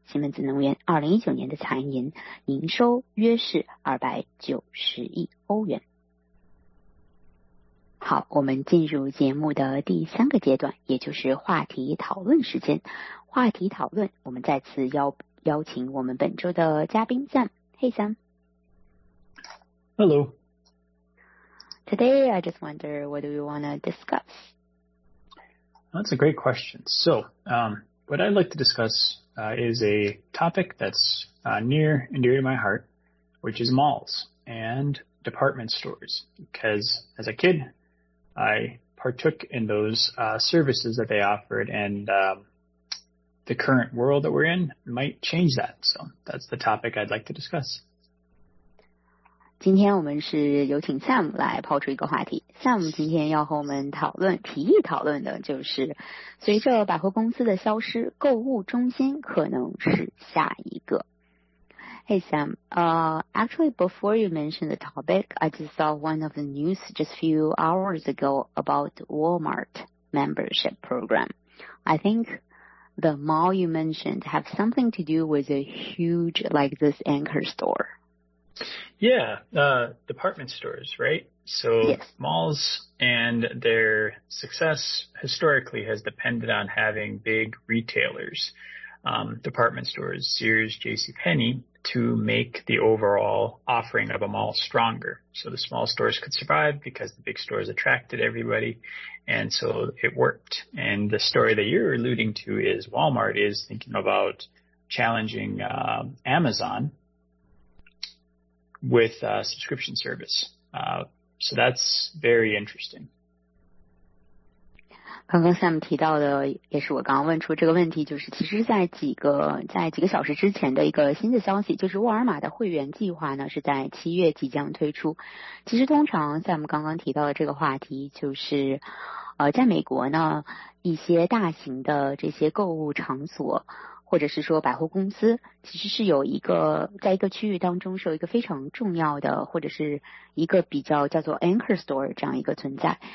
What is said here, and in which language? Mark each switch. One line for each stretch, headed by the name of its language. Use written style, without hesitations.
Chinese: 西门子能源2019年的财年营收约是290亿欧元。好，我们进入节目的第三个阶段，也就是话题讨论时间。话题讨论，我们再次邀请我们本周的嘉宾 Sam。
English: Hey Sam。 Hello。 Today I just wonder, what do you want to discuss? That's a great question. So, what I'd like to discuss, is a topic that's, near and dear to my heart, which is malls and department stores, because as a kidI partook in those, services that they offered, and, the current world that we're in might change that. So that's the topic I'd like to discuss.
Chinese: 今天我们是有请 Sam 来抛出一个话题。Sam 今天要和我们讨论，提议讨论的就是，随着百货公司的消失，购物中心可能是下一个。
English: Hey Sam, actually before you mentioned the topic, I just saw one of the news just a few hours ago about Walmart membership program. I think the mall you mentioned have something to do with a huge like this anchor store. Yeah, department stores, right? So yes. Malls and their success historically has depended on having big retailers, department stores, Sears, JCPenney,to make the overall offering of a mall stronger. So the small stores could survive because the big stores attracted everybody. And so it worked. And the story that you're alluding to is Walmart is thinking about challenging Amazon with a subscription service. So that's very interesting.
Chinese: 刚刚 Sam 提到的也是我刚刚问出这个问题，就是其实在几个小时之前的一个新的消息，就是沃尔玛的会员计划呢是在七月即将推出。其实通常 Sam 刚刚提到的这个话题，就是在美国呢一些大型的这些购物场所或者是说百货公司，其实是有一个在一个区域当中是有一个非常重要的或者是一个比较叫做 anchor store 这样一个存在。